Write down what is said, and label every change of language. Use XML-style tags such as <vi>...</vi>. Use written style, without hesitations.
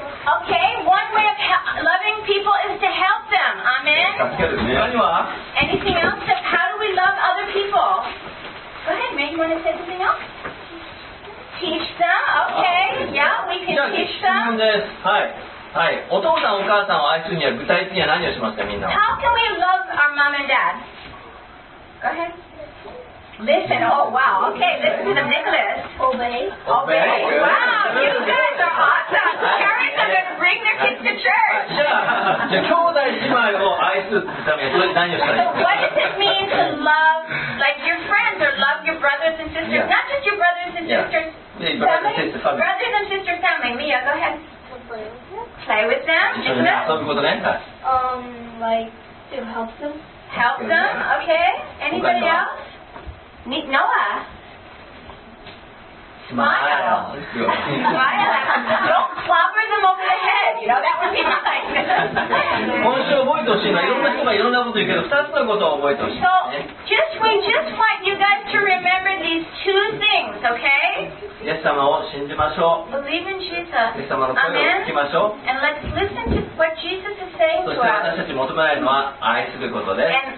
<en>Okay, one way of loving people is to help them. Amen. Anything else? So how do we love other people? Go ahead, Meg. You want to say something else? Teach them. Okay. Yeah, we can teach them.</en> <ja>はい、お父さんお母さんを愛するには具体的には何をしますかみんな。</ja> <en>How can we love our mom and dad? Go ahead. Listen, oh wow, okay, listen to them, Nicholas. Obey. Wow, you guys are awesome. Parents are going to bring their kids to church. So what does it mean to love, like, your friends or love your brothers and sisters? Yeah. Not just your brothers and sisters. Yeah. Brothers and sisters family. Mia, go ahead. Play with them. Play with them, Nicholas. Like, to help them. Help them, okay. Anybody else? Meet Noah. Smile. Don't clobber them over the head. You know, that would be nice.</en> <ja>今週覚えてほしいのはいろんな人がいろんなこと言うけど、二つのことを覚えてほしい。</ja> <en>So, we just want you guys to remember these two things, okay?</en> <ja>イエス様を信じましょう。</ja> <en>Believe in Jesus.</en> <ja>イエス様の声を聞きましょう。</ja> <en>And let's listen to what Jesus is saying to us.</en> <ja>そして私たち求められるのは愛することです。</ja>